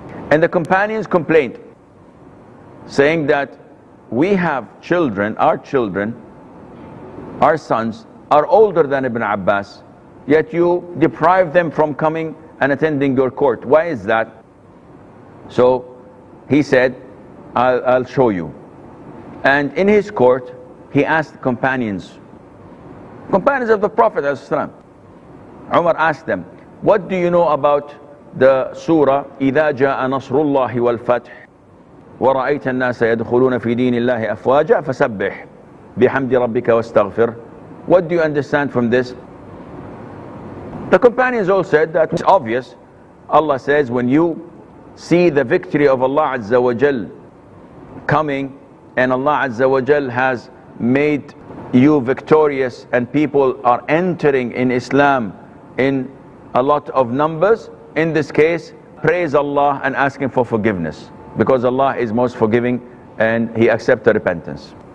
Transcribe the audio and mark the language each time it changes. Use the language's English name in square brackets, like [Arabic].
[English] And the companions complained, saying that we have children, our sons, are older than Ibn Abbas, yet you deprive them from coming and attending your court. Why is that? So he said, I'll show you. And in his court, he asked companions of the Prophet ﷺ. Umar asked them, what do you know about the surah, [Arabic] إِذَا جَاءَ نَصْرُ اللَّهِ وَالْفَتْحِ وَرَأَيْتَ النَّاسَ يَدْخُلُونَ فِي دِينِ اللَّهِ أَفْوَاجًا فَسَبِّحْ بِحَمْدِ رَبِّكَ وَاسْتَغْفِرْ. [English] What do you understand from this? The companions all said that it's obvious. Allah says, when you see the victory of Allah Azza wa Jal coming, and Allah Azza wa Jal has made you victorious, and people are entering in Islam in a lot of numbers, in this case, praise Allah and ask Him for forgiveness, because Allah is most forgiving and He accepts the repentance.